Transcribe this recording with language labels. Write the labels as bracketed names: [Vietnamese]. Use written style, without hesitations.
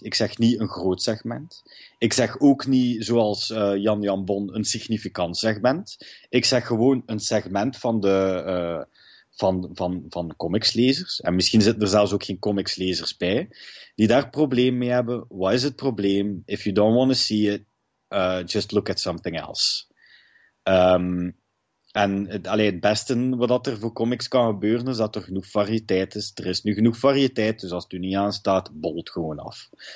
[Dutch] Ik zeg niet een groot segment. Ik zeg ook niet, zoals Jan Bon, een significant segment. Ik zeg gewoon een segment van de... Van comicslezers, en misschien zitten er zelfs ook geen comicslezers bij, die daar probleem mee hebben. Wat is het probleem? [English] If you don't want to see it, just look at something else. [Dutch] Het beste wat er voor comics kan gebeuren, is dat er genoeg variëteit is. Er is nu genoeg variëteit, dus als het u niet aanstaat, bolt gewoon af.